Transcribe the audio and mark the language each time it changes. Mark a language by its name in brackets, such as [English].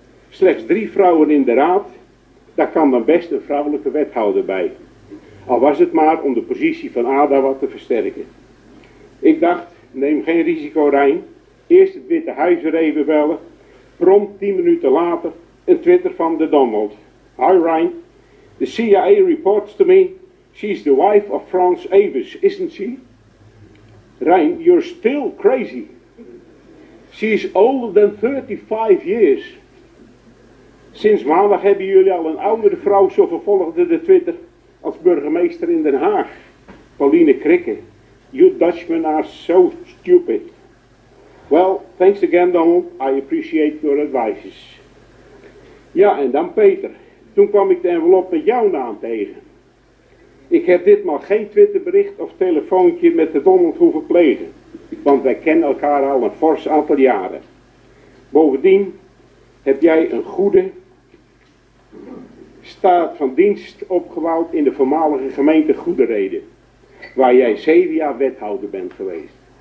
[Dutch] Slechts 3 vrouwen in de raad, daar kan dan best een vrouwelijke wethouder bij. Al was het maar om de positie van Ada wat te versterken. Ik dacht, neem geen risico, Rijn. Eerst het Witte Huis er even bellen. Prompt 10 minuten later een Twitter van de Donald. [English] Hi Rijn, the CIA reports to me. She's the wife of Franz Avis, isn't she? Rijn, you're still crazy. She's older than 35 years. [Dutch] Sinds maandag hebben jullie al een oudere vrouw, zo vervolgde de Twitter, als burgemeester in Den Haag. [English] Pauline Krikke, you Dutchmen are so stupid. Well, thanks again, Donald. I appreciate your advices. [Dutch] Ja, en dan Peter. Toen kwam ik de envelop met jouw naam tegen. Ik heb ditmaal geen Twitterbericht of telefoontje met de Donald hoeven plegen. Want wij kennen elkaar al een fors aantal jaren. Bovendien heb jij een goede staat van dienst opgebouwd in de voormalige gemeente Goederede, waar jij 7 jaar wethouder bent geweest.